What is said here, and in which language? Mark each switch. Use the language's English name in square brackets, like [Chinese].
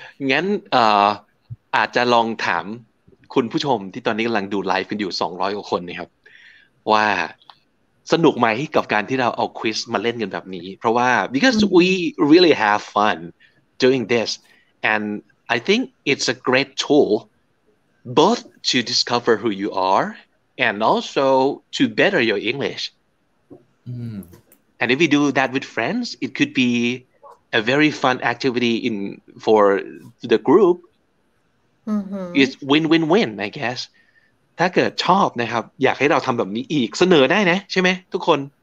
[Thai] งั้นอาจจะลองถามคุณผู้ชมที่ตอนนี้กำลังดูไลฟ์กันอยู่200กว่าคนนะครับว่าสนุกไหมกับการที่เราเอาควิซมาเล่นกันแบบนี้เพราะว่า [English] because we really have fun doing this andI think it's a great tool both to discover who you are and also to better your English. And if we do that with friends, it could be a very fun activity for the group. It's win-win-win, I guess. [Thai] ถ้าเกิดชอบนะครับอยากให้เราทำแบบนี้อีกเสนอได้นะใช่ไหมทุกคน